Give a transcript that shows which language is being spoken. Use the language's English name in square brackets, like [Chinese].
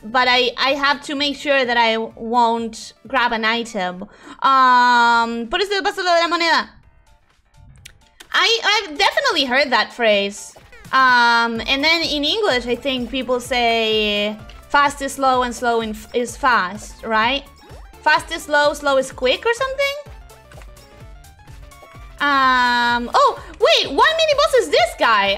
[English] But I have to make sure that I won't grab an item. [Spanish] Por eso te paso lo de la moneda. [English] I've definitely heard that phrase. And then in English, I think people say fast is slow and slow is fast, right? Fast is slow is quick or something? Oh, wait, one mini boss is this guy.